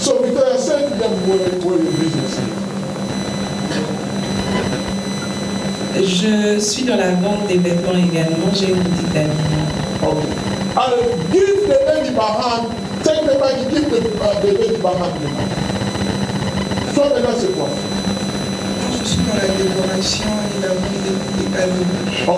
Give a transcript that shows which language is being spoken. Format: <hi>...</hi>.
<en>So, Victoria, say to them where your business is.</en> <fr>Je suis dans la vente des vêtements également. J'ai une petite amie.</fr> <en>Ok. Alors, give the lady my hand. Take the money, give the lady my hand.</en> <fr>So, maintenant, c'est quoi? Je suis dans la décoration et la vente des vêtements.</fr>